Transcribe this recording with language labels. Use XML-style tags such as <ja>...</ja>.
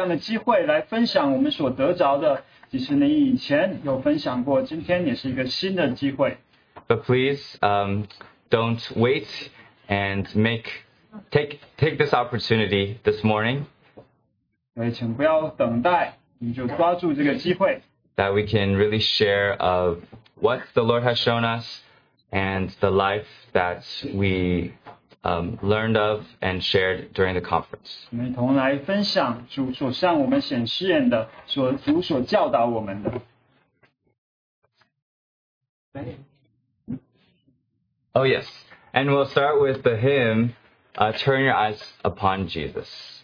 <zh>所以今天我们再一次有这样的机会来分享我们所得着的, 即使你以前有分享过, 今天也是一个新的机会。</zh> <en>But please, don't wait and take this opportunity this morning.</en> <zh>请不要等待,</zh> <en>that we can really share of what the Lord has shown us and the life that we learned of and shared during the conference.</en> <zh>我们一同来分享主所向我们显示的，主所教导我们的。</zh> <en>Oh yes. And we'll start with the hymn, Turn Your Eyes Upon Jesus.</en>